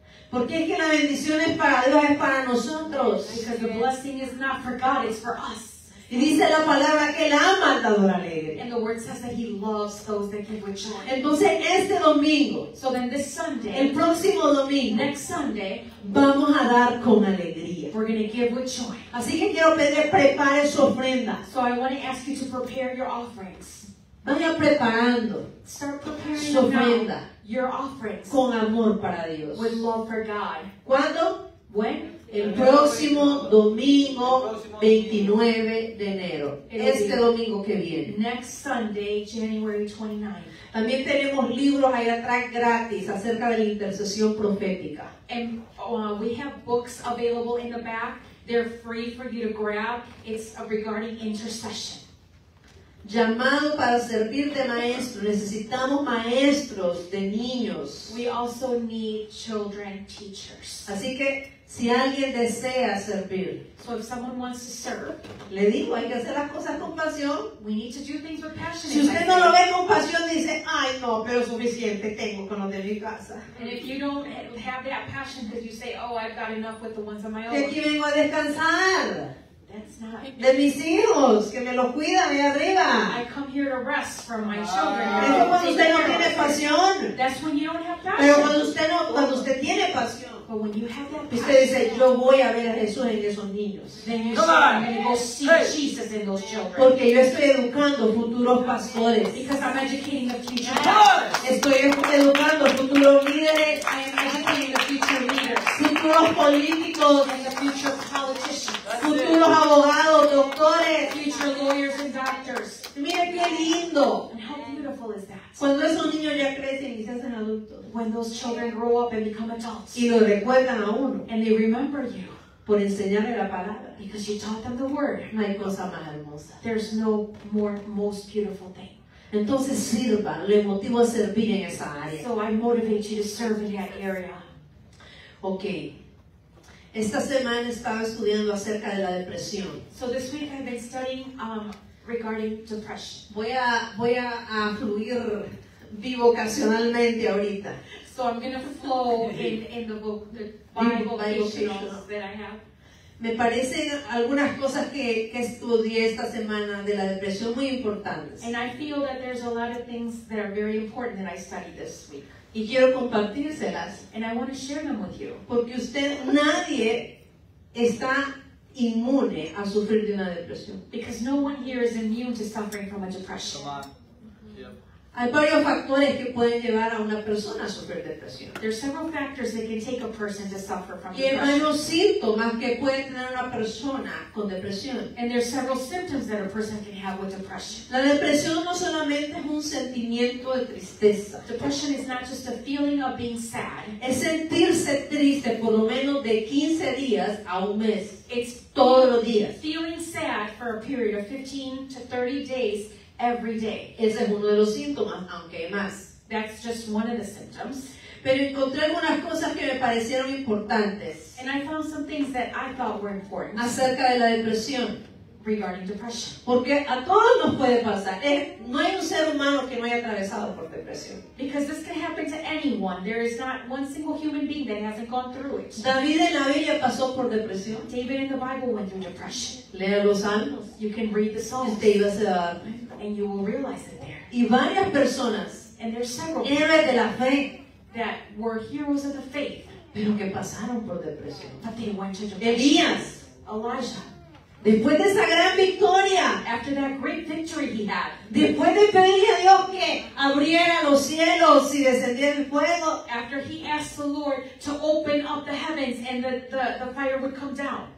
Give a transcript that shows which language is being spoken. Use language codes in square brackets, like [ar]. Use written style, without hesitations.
[es] ¿Por qué es que la bendición es para Dios, es para nosotros? [en] Because the blessing is not for God, it's for us. [es] Y dice la palabra que él ama al dador alegre. [en] And the word says that he loves those that give with joy. [es] Entonces este domingo, [en] so then this Sunday, [es] el próximo domingo, [en] next Sunday, [es] vamos a dar con alegría. [en] We're going to give with joy. [es] Así que quiero pedirle prepare su ofrenda. [en] So I want to ask you to prepare your offerings. [es] Vaya preparando. [en] Start preparing [es] su ofrenda. [en] Your offerings. [es] Con amor para Dios. [en] With love for God. [es] ¿Cuándo? [en] When? [es] El próximo domingo 29 de enero. Este domingo que viene. [en] Next Sunday, January 29th. [es] También tenemos libros ahí atrás gratis acerca de la intercesión profética. [en] And we have books available in the back. They're free for you to grab. It's regarding intercession. [es] Llamado para servir de maestro. Necesitamos maestros de niños. [en] We also need children teachers. [es] Así que si alguien desea servir, [en] so if someone wants to serve, [es] le digo, hay que hacer las cosas con pasión. [en] We need to do things with passion. [es] Si usted no lo ve con pasión, dice, ay no, pero suficiente tengo con los de mi casa. [en] And if you don't have that passion, because you say, oh, I've got enough with the ones on my own. [es] De aquí vengo a descansar. [en] That's not. [es] De mis hijos, que me los cuidan de arriba. [en] I come here to rest from my children. [es] Es cuando usted no tiene pasión. [en] That's when you don't have passion. [es] Pero cuando usted tiene pasión. [en] But when you have that passion, [es] usted dice, yo voy a ver a Jesús en esos niños. [en] Then you say, I'm going to go see Jesus in those children. [es] Porque yo estoy educando futuros pastores. [en] Because I'm educating the future. [es] Estoy educando futuros líderes. [en] I am educating the future leaders. [es] Futuros políticos. [en] And the future politicians. That's [es] futuros abogados, doctores. [en] Future lawyers and doctors. [es] Mira qué lindo. [en] And how beautiful is that? [es] Cuando esos niños ya crecen y se hacen adultos. [en] When those children grow up and become adults. [es] Y lo recuerdan a uno. [en] And they remember you. [es] Por enseñarle la palabra. [en] Because you taught them the word. [es] No hay cosa más hermosa. [en] There's no more most beautiful thing. [es] Entonces sirva. Le motivo a servir en esa área. [en] So I motivate you to serve in that area. Okay. [es] Esta semana estaba estudiando acerca de la depresión. [en] So this week I've been studying regarding depression. [es] Voy a fluir bivocacionalmente ahorita. [en] So I'm going to flow in the book, the bivocational that I have. [es] Me parecen algunas cosas que estudié esta semana de la depresión muy importantes. [en] And I feel that there's a lot of things that are very important that I studied this week. [es] Y quiero compartírselas. [en] And I want to share them with you. [es] Porque usted, nadie está inmune a sufrir de una depresión. [en] Because no one here is immune to suffering from a depression. Come on. [es] Hay varios factores que pueden llevar a una persona a sufrir depresión. [en] There are several factors that can take a person to suffer from depression. [es] Y hay varios síntomas que puede tener una persona con depresión. [en] And there are several symptoms that a person can have with depression. [es] La depresión no solamente es un sentimiento de tristeza. [en] Depression is not just a feeling of being sad. [es] Es sentirse triste por lo menos de 15 días a un mes. [en] It's [es] todos los días. [en] Feeling sad for a period of 15 to 30 days. Every day. [es] Ese es uno de los síntomas, aunque hay más. [en] That's just one of the symptoms. [es] Pero encontré algunas cosas que me parecieron importantes. [en] And I found some things that I thought were important. [es] Acerca de la depresión. [en] Regarding depression. [es] Porque a todos nos puede pasar. No hay un ser humano que no haya atravesado por depresión. [en] Because this can happen to anyone. There is not one single human being that hasn't gone through it. [es] David en la Biblia pasó por depresión. [en] David in the Bible went through depression. [es] Lea los Salmos. [en] You can read the Psalms. [es] David se va a dar. [en] And you will realize it there. [es] Y varias personas, [en] and there's several [es] héroes de la fe, [en] that were heroes of the faith, [es] pero que pasaron por depresión. [en] But they went to depression. [es] Elías, [en] Elijah, [es] después de esa gran victoria, [en] after that great victory he had, [es] después de pedirle a Dios que abriera los cielos y descendiera el fuego, [en] after he asked the Lord to open up the heavens and the fire would come down,